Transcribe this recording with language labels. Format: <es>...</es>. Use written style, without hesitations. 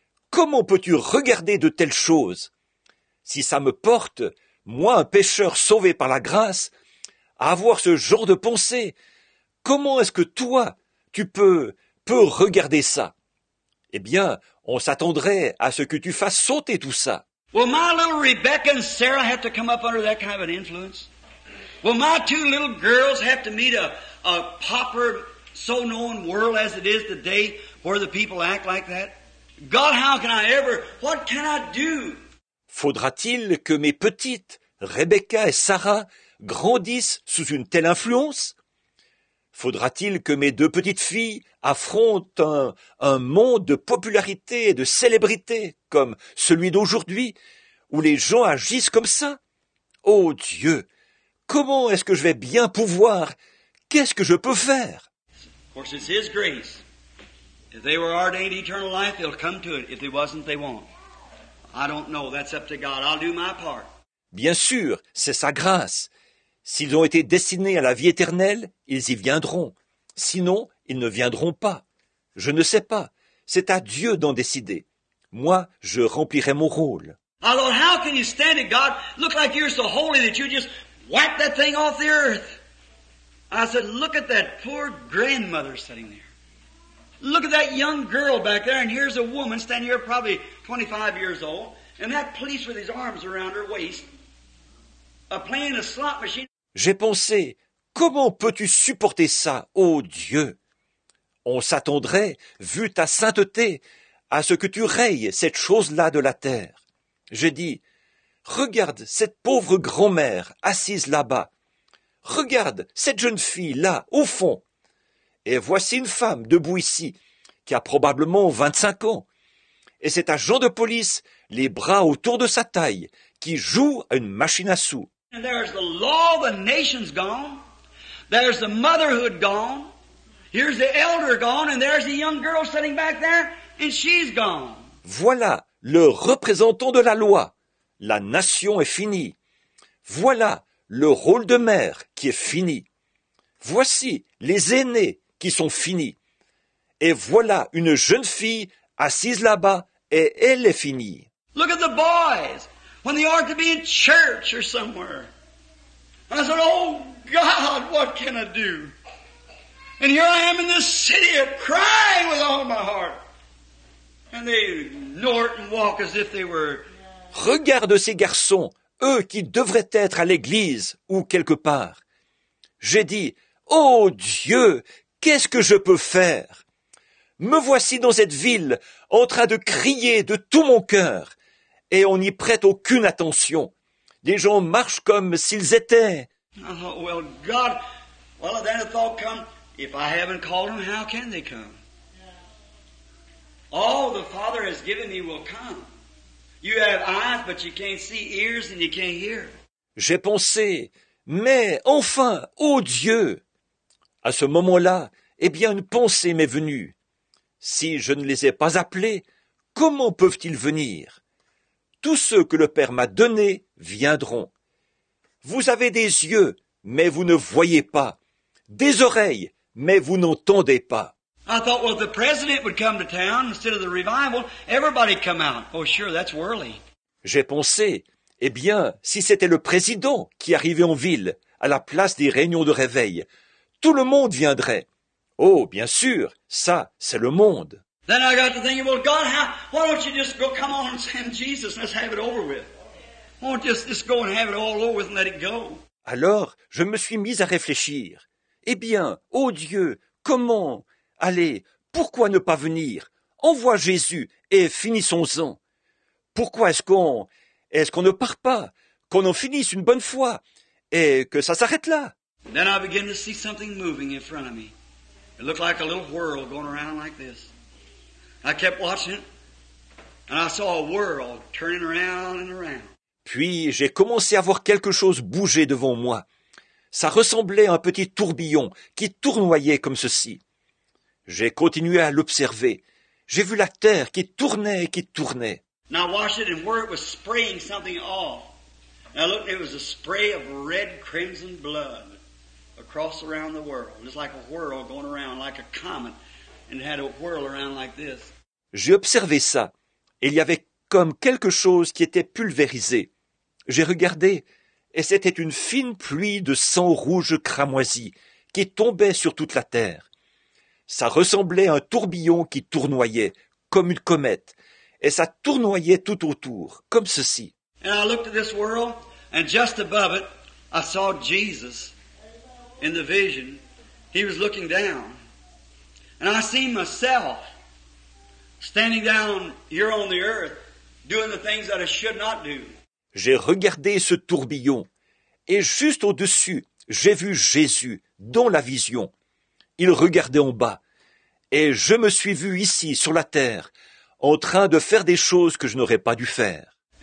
<fr>Comment peux-tu regarder de telles choses? Si ça me porte, moi un pécheur sauvé par la grâce, à avoir ce genre de pensée, comment est-ce que toi, tu peux regarder ça? Eh bien, on s'attendrait à ce que tu fasses sauter tout ça.</fr> <en>Will my little Rebecca and Sarah have to come up under that kind of an influence? Will my two little girls have to meet a pauper so known world as it is today where the people act like that? God, how can I ever, what can I do?</en> <fr>Faudra-t-il que mes petites, Rebecca et Sarah, grandissent sous une telle influence? Faudra-t-il que mes deux petites filles affrontent un monde de popularité et de célébrité comme celui d'aujourd'hui, où les gens agissent comme ça? Oh Dieu, comment est-ce que je vais bien pouvoir? Qu'est-ce que je peux faire?</fr> <en>Of course, it's His grace. If they were ordained eternal life, they'll come to it. If they wasn't, they won't. I don't know. That's up to God. I'll do my part.</en> <fr>Bien sûr, c'est sa grâce. S'ils ont été destinés à la vie éternelle, ils y viendront. Sinon, ils ne viendront pas. Je ne sais pas. C'est à Dieu d'en décider. Moi, je remplirai mon rôle. Alors,</fr> <en>how can you stand it, God? Look like you're so holy that you just whack that thing off the earth. I said, look at that poor grandmother sitting there. Look at that young girl back there, and here's a woman standing here, probably 25 years old, and that police with his arms around her waist, playing a slot machine.</en> <fr>J'ai pensé, comment peux-tu supporter ça, oh Dieu? On s'attendrait, vu ta sainteté, à ce que tu rayes cette chose-là de la terre. J'ai dit, regarde cette pauvre grand-mère assise là-bas. Regarde cette jeune fille là, au fond. Et voici une femme debout ici, qui a probablement 25 ans. Et cet agent de police, les bras autour de sa taille, qui joue à une machine à sous.</fr> <en>And there's the law of the nations gone. There's the motherhood gone. Here's the elder gone. And there's the young girl sitting back there, and she's gone.</en> <fr>Voilà le représentant de la loi. la nation est finie. Voilà le rôle de mère qui est fini. Voici les aînés qui sont finis. Et voilà une jeune fille assise là-bas et elle est finie.</fr> <en>Look at the boys when they ought to be in church or somewhere. And I said, oh God, what can I do? And here I am in this city of crying with all my heart. And they lort and walk as if they were...</en> <fr>Regarde ces garçons, eux qui devraient être à l'église ou quelque part. J'ai dit, « Oh Dieu, qu'est-ce que je peux faire ? Me voici dans cette ville, en train de crier de tout mon cœur, et on n'y prête aucune attention. Les gens marchent comme s'ils étaient. »</fr> <en>Oh, well, God, well, then a thought come, if I haven't called them, how can they come? All the Father has given me will come. You have eyes, but you can't see, ears, and you can't hear.</en> <fr>J'ai pensé, mais enfin, ô Dieu! À ce moment-là, eh bien, une pensée m'est venue. Si je ne les ai pas appelés, comment peuvent-ils venir? Tous ceux que le Père m'a donnés viendront. Vous avez des yeux, mais vous ne voyez pas. Des oreilles, mais vous n'entendez pas.</fr> <en>I thought, well, if the president would come to town instead of the revival, everybody'd come out. Oh, sure, that's worldly.</en> <fr>J'ai pensé, eh bien, si c'était le président qui arrivait en ville, à la place des réunions de réveil, tout le monde viendrait. Oh, bien sûr, ça, c'est le monde.</fr> <en>Then I got to thinking, well, God, why don't you just go, come on and send Jesus, let's have it over with. Why don't you just go and have it all over with and let it go.</en> <fr>Alors, je me suis mis à réfléchir. Eh bien, oh Dieu, comment... Allez, pourquoi ne pas venir? Envoie Jésus et finissons-en. Pourquoi est-ce qu'on ne part pas? Qu'on en finisse une bonne fois et que ça s'arrête là?</fr> <en>Then I began to see something moving in front of me. It looked like a little whirl going around like this. I kept watching it and I saw a whirl turning around and around.</en> <fr>Puis j'ai commencé à voir quelque chose bouger devant moi. Ça ressemblait à un petit tourbillon qui tournoyait comme ceci. J'ai continué à l'observer. J'ai vu la terre qui tournait et qui tournait.</fr> <en>Now watch it and where it was spraying something off. Now look, it was a spray of red crimson blood across around the world. It was like a whirl going around like a comet and it had a whirl around like this.</en> <fr>J'ai observé ça. Il y avait comme quelque chose qui était pulvérisé. J'ai regardé et c'était une fine pluie de sang rouge cramoisi qui tombait sur toute la terre. Ça ressemblait à un tourbillon qui tournoyait, comme une comète, et ça tournoyait tout autour, comme ceci.</fr> <en>And I looked at this world, and just above it, I saw Jesus in the vision. He was looking down. And I see myself standing down here on the earth, doing the things that I should not do.</en> <fr>J'ai regardé ce tourbillon, et juste au-dessus, j'ai vu Jésus dans la vision. Il regardait en bas, et je me suis vu ici, sur la terre, en train de faire des choses que je n'aurais pas dû faire.</fr>